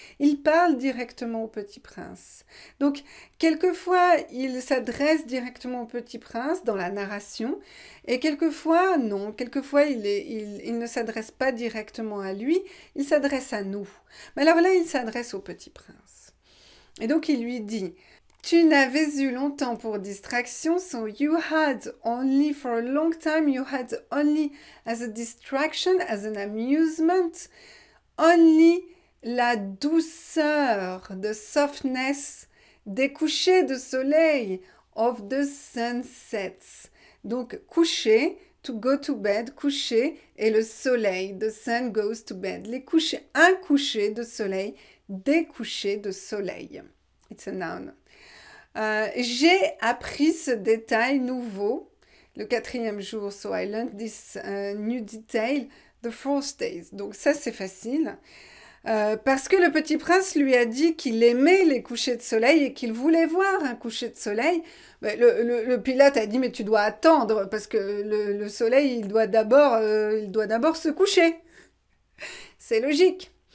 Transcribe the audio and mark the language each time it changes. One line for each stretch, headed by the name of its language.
French: Il parle directement au petit prince. Donc, quelquefois, il s'adresse directement au petit prince dans la narration, et quelquefois, non. Quelquefois, il ne s'adresse pas directement à lui, il s'adresse à nous. Mais alors là, il s'adresse au petit prince. Et donc, il lui dit... Tu n'avais eu longtemps pour distraction,
English: so you had only for a long time, you had only as a distraction, as an amusement, only
French: la douceur,
English: the softness
French: des couchers de soleil,
English: of the sunsets.
French: Donc coucher,
English: to go to bed, coucher,
French: et le soleil,
English: the sun goes to bed.
French: Les couchers, un coucher de soleil, des couchers de soleil.
English: It's a noun.
French: J'ai appris ce détail nouveau le quatrième jour.
English: So I learned this new detail the fourth day.
French: Donc ça, c'est facile. Parce que le petit prince lui a dit qu'il aimait les couchers de soleil et qu'il voulait voir un coucher de soleil. Le pilote a dit, mais tu dois attendre parce que le soleil, il doit d'abord se coucher. C'est logique.